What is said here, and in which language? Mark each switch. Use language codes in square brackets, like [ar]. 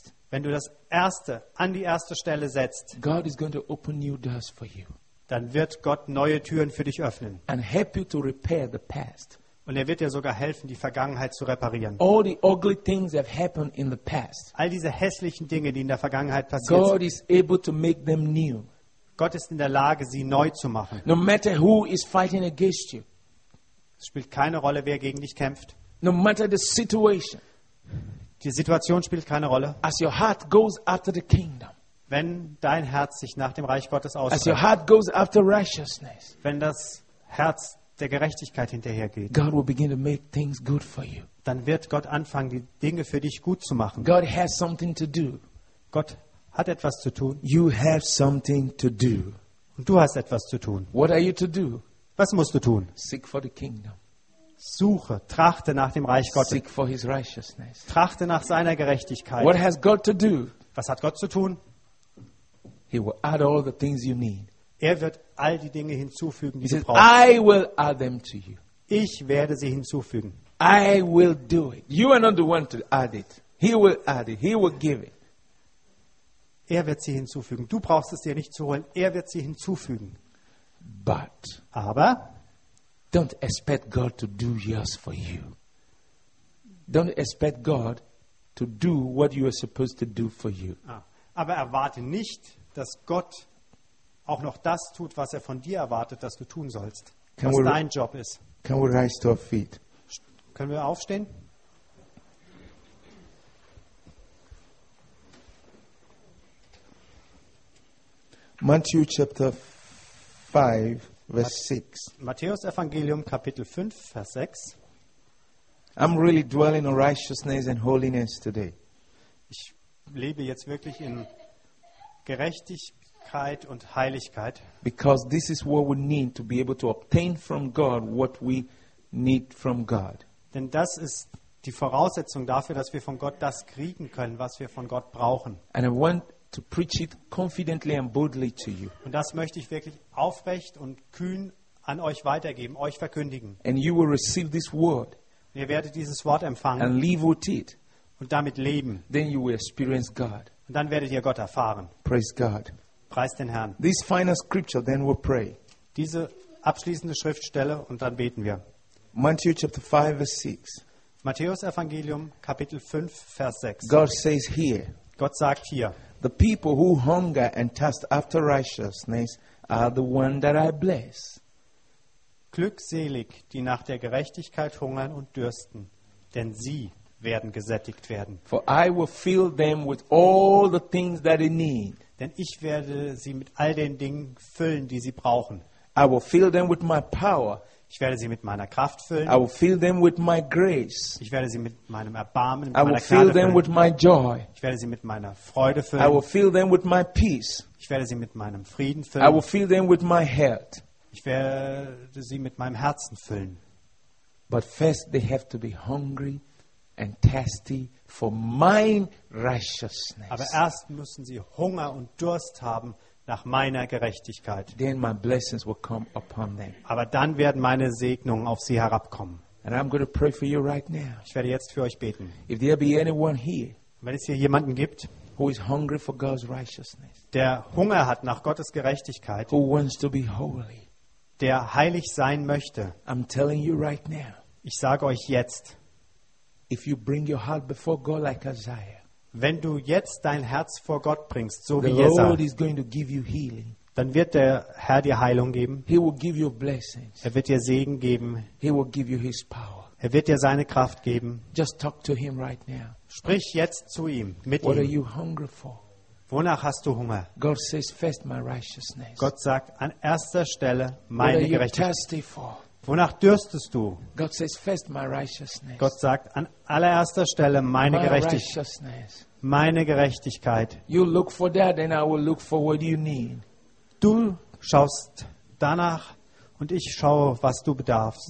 [de] Wenn du das Erste an die erste Stelle setzt, [en] God is going to open new doors for you. [de] Dann wird Gott neue Türen für dich öffnen. [en] And help you to repair the past. [de] Und er wird dir sogar helfen, die Vergangenheit zu reparieren. [en] All the ugly things have happened in the past. [de] All diese hässlichen Dinge, die in der Vergangenheit passiert [en] God [de] sind, [en] is able to make them new. [de] Gott ist in der Lage, sie neu zu machen. [en] No matter who is fighting against you. [de] Es spielt keine Rolle, wer gegen dich kämpft. [en] No matter the situation. [de] Die Situation spielt keine Rolle. [en] As your heart goes after the kingdom. [de] Wenn dein Herz sich nach dem Reich Gottes ausstreckt. [en] As your heart goes after righteousness. [de] Wenn das Herz der Gerechtigkeit hinterhergeht. [en] God will begin to make things good for you. [de] Dann wird Gott anfangen, die Dinge für dich gut zu machen. [en] God has something to do. [de] Gott hat etwas zu tun. [en] You have something to do. [de] Und du hast etwas zu tun. [en] What are you to do? [de] Was musst du tun? [en] Seek for the kingdom. [de] Suche, trachte nach dem Reich Gottes. [en] Seek for his righteousness. [de] Trachte nach seiner Gerechtigkeit. [en] What has God to do? [de] Was hat Gott zu tun? [en] He will add all the things you need. [de] Er wird all die Dinge hinzufügen, die [en] He [de] du [en] says, [de] brauchst. [en] I will add them to you. [de] Ich werde sie hinzufügen. [en] I will do it. You are not the one to add it. He will add it. He will give it. [de] Er wird sie hinzufügen. Du brauchst es dir nicht zu holen. Er wird sie hinzufügen. [en] But [de] aber [en] don't expect God to do yours for you. Don't expect God to do what you are supposed to do for you. [de] Aber erwarte nicht, dass Gott auch noch das tut, was er von dir erwartet, dass du tun sollst, [en] can [de] was [en] we, [de] dein Job ist. [en] Can we rise to our feet? [de] Können wir aufstehen? [en] Matthew chapter 5, verse 6. [de] Matthäus Evangelium Kapitel 5 Vers 6. [en] I'm really dwelling on righteousness and holiness today. [de] Ich lebe jetzt wirklich in Gerechtigkeit und Heiligkeit. [en] Because this is what we need to be able to obtain from God what we need from God. [de] Denn das ist die Voraussetzung dafür, dass wir von Gott das kriegen können, was wir von Gott brauchen. [en] And I want to preach it confidently and boldly to you. [de] Und das möchte ich wirklich aufrecht und kühn an euch weitergeben, euch verkündigen. [en] And you will receive this word. [de] Und ihr werdet dieses Wort empfangen. [en] And live with it. [de] Und damit leben. [en] Then you will experience God. [de] Und dann werdet ihr Gott erfahren. [en] Praise God. [de] Preist den Herrn. [en] This final scripture, then we'll pray. [de] Diese abschließende Schriftstelle und dann beten wir. [en] Matthew chapter 5 verse 6. [de] Matthäus Evangelium Kapitel 5 Vers 6. [en] God says here. [de] Gott sagt hier. [en] The people who hunger and thirst after righteousness are the ones that I bless. [de] Glückselig, die nach der Gerechtigkeit hungern und dürsten, denn sie werden gesättigt werden. [en] For I will fill them with all the things that they need. [de] Denn ich werde sie mit all den Dingen füllen, die sie brauchen. [en] I will fill them with my power. [de] Ich werde sie mit meiner Kraft füllen. [en] I will fill them with my grace. [de] Ich werde sie mit meinem Erbarmen, [en] I will fill them with my joy. [de] Ich werde sie mit meiner Freude füllen. [en] I will fill them with my peace. [de] Ich werde sie mit meinem Frieden füllen. [en] I will fill them with my heart. [de] Ich werde sie mit meinem Herzen füllen. [en] But first they have to be hungry and thirsty for my righteousness. [de] Aber erst müssen sie Hunger und Durst haben nach meiner Gerechtigkeit. [en] Then my blessings will come upon them. [de] Aber dann werden meine Segnungen auf sie herabkommen. [en] And I'm going to pray for you right now. [de] Ich werde jetzt für euch beten. [en] If there be anyone here, [de] wenn es hier jemanden gibt, [en] who is hungry for God's righteousness, [de] der Hunger hat nach Gottes Gerechtigkeit, [en] who wants to be holy, [de] der heilig sein möchte, [en] I'm telling you right now, [de] ich sage euch jetzt, [en] if you bring your heart before God like Isaiah, [de] wenn du jetzt dein Herz vor Gott bringst, so [en] the [de] wie Jesaja, [en] Lord is going to give you healing. [de] dann wird der Herr dir Heilung geben. [en] He will give you blessings. [de] Er wird dir Segen geben. [en] He will give you his power. [de] Er wird dir seine Kraft geben. [en] Just talk to him right now. [de] Sprich jetzt zu ihm, mit [en] What [de] ihm. [en] Are you hungry for? [de] Wonach hast du Hunger? [en] God says, first my righteousness. [de] Gott sagt, an erster Stelle meine [en] What are you [de] Gerechtigkeit. [en] Thirsty for? [de] Wonach dürstest du? [en] God says, first my righteousness. [de] Gott sagt, an allererster Stelle meine Gerechtigkeit. Meine Gerechtigkeit. [en] You look for that, and I will look for what you need. [de] Du schaust danach und ich schaue, was du bedarfst,